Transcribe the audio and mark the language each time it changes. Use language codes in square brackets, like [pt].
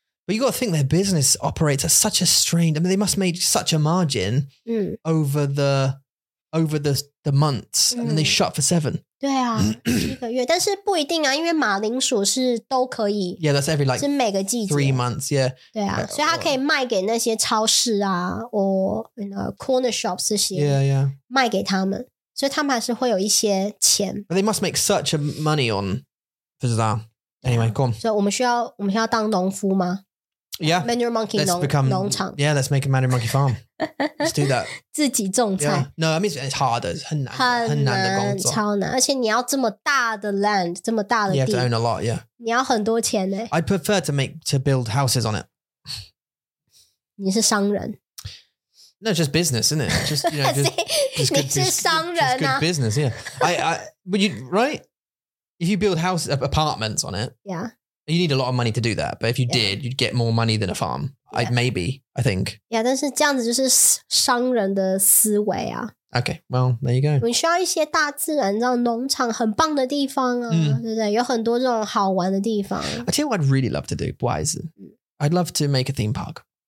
[en] but you gotta think their business operates at such a strain. I mean, they must make such a margin over the months, and then they shut for 7. [zh] 对啊，一个月, 但是不一定啊, 因为马铃薯是都可以, [en] yeah, that's every like [zh] 是每个季节, [en] 3 months, yeah. [zh] 对啊, [en] like, [zh] 所以他可以卖给那些超市啊, [en] or you know, corner shops [zh] 这些, [en] yeah, yeah. [zh] 卖给他们。所以他们还是会有一些钱。 [en] But they must make such a money on [zh] 不知道 [en] Anyway, go on. [zh] 所以我们需要当农夫吗? [en] Yeah. [zh] Mandarin Monkey 农场。 [en] Yeah, let's make a Mandarin Monkey farm. Let's do that. [zh] 自己种菜。 [en] Yeah. No, I mean it's hard. [zh] 很难的工作。超难。而且你要这么大的 land, 这么大的地。 [en] You have to own a lot, yeah. [zh] 你要很多钱耶。 [en] I'd prefer to make, to build houses on it. [zh] 你是商人。 [en] No, it's just business, isn't it? Just, you know, just, see, just good, just good business, yeah. I but you, right? If you build house apartments on it, yeah, you need a lot of money to do that. But if you did, you'd get more money than a farm. Yeah. I think. [zh] Yeah, 但是这样子就是商人的思维啊。 [en] Okay, well, there you go. [zh] 我们需要一些大自然，这种农场很棒的地方啊，对不对？有很多这种好玩的地方。 [en] I tell you what I'd really love to do, Wise. I'd love to make a theme park.